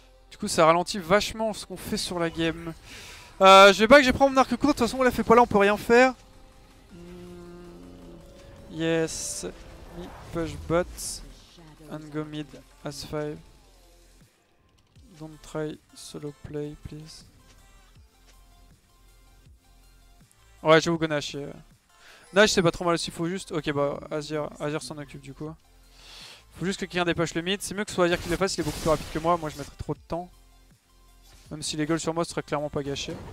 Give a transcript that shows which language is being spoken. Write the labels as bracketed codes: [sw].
[fr] Du coup ça ralentit vachement ce qu'on fait sur la game. Je vais back, je vais prendre mon arc court, de toute façon on l'a fait pas là, on peut rien faire. [en] Yes, me push bot and go mid as 5. Don't try solo play please. [fr] Ouais j'avoue que Nash. Nash c'est pas trop mal aussi, faut juste. Ok bah Azir s'en occupe du coup. Faut juste que quelqu'un dépêche le mid, c'est mieux que ce soit Azir qui le fasse, il est beaucoup plus rapide que moi, moi je mettrais trop de temps. Même si les gueules sur moi ce serait clairement pas gâché.